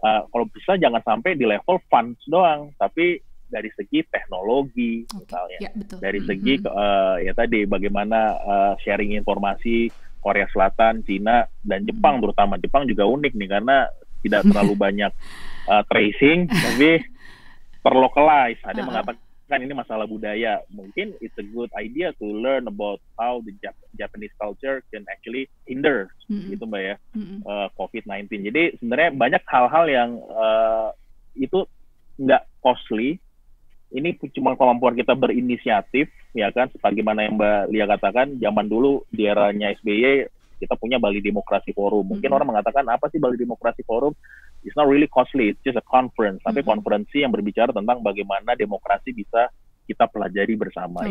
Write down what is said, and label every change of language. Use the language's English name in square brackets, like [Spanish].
[Indonesian] Kalau bisa jangan sampai di level funds doang, tapi dari segi teknologi misalnya, dari segi ya tadi bagaimana sharing informasi Korea Selatan, Cina, dan Jepang terutama. Jepang juga unik nih karena tidak terlalu banyak tracing, tapi terlocalize. Ada yang mengatakan ini masalah budaya. Mungkin [English] it's a good idea to learn about how the Japanese culture can actually hinder [Indonesian] gitu Mbak ya, [English] COVID-19. [Indonesian] Jadi sebenarnya banyak hal-hal yang itu nggak costly. Ini cuma kemampuan kita berinisiatif, ya kan? Sebagaimana yang Mbak Lia katakan, zaman dulu di eranya SBY, kita punya Bali Demokrasi Forum. Mungkin orang mengatakan, apa sih Bali Demokrasi Forum? [English] It's not really costly, it's just a conference. [Indonesian] Tapi konferensi yang berbicara tentang bagaimana demokrasi bisa kita pelajari bersama.